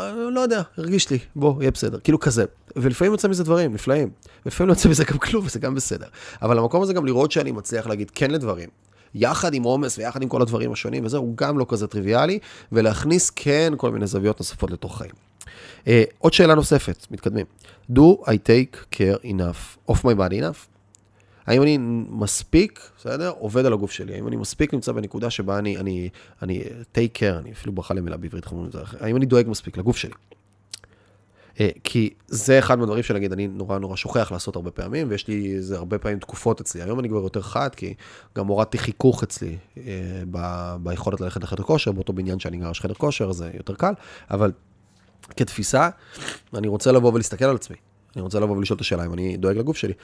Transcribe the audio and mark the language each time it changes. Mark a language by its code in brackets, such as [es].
[he] לא יודע, הרגיש לי, בוא, יהיה בסדר, כאילו כזה, ולפעמים יוצא מזה דברים, נפלאים, ולפעמים לא יוצא מזה גם כלום, וזה גם בסדר, אבל המקום הזה גם לראות שאני מצליח להגיד כן לדברים, יחד עם עומס ויחד עם כל הדברים השונים, וזה הוא גם לא כזה טריוויאלי, ולהכניס כן כל מיני זוויות נוספות לתוך חיים. עוד שאלה נוספת, מתקדמים, [en] do I take care enough, off my body enough? [he] האם אני מספיק, בסדר, עובד על הגוף שלי, האם אני מספיק נמצא בנקודה שבה אני [en] take care, [he] אני אפילו ברכה למילה בעברית, האם אני דואג מספיק לגוף שלי? כי זה אחד מהדברים שנגיד, אני נורא נורא שוכח לעשות הרבה פעמים, ויש לי איזה הרבה פעמים תקופות אצלי, היום אני כבר יותר חד, כי גם הורדתי חיכוך אצלי, ביכולת ללכת לחדר כושר, באותו בניין שאני גר לחדר כושר, זה יותר קל, אבל כתפיסה, אני רוצה לבוא ולהסתכל על עצמי, אני רוצה לבוא ולשאול את השאלה, אם אני דואג לגוף שלי.